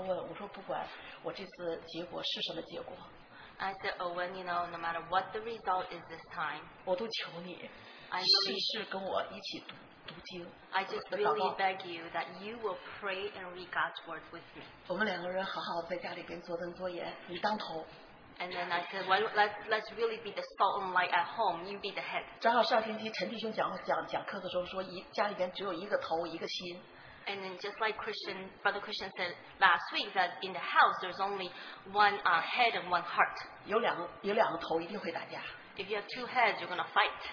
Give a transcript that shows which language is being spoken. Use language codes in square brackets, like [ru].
[zh] 我就跟我弟兄说，我说弟兄，我说欧文，我说不管我这次结果是什么结果。 [en] I said, Owen, you know, no matter what the result is this time, [zh] 我都求你, [en] I, I just really beg you that you will pray and read God's word with me. [zh] 我们两个人好好在家里边做灯做眼，你当头。 [en] And then I said, well, let's really be the salt and light at home. You be the head. [zh] 正好上星期陈弟兄讲课的时候说，家里边只有一个头，一个心。 [en] And then just like Christian, Brother Christian said last week, that in the house there's only one head and one heart. [zh] 有两个头一定会打架。 [en] If you have two heads, you're going to fight.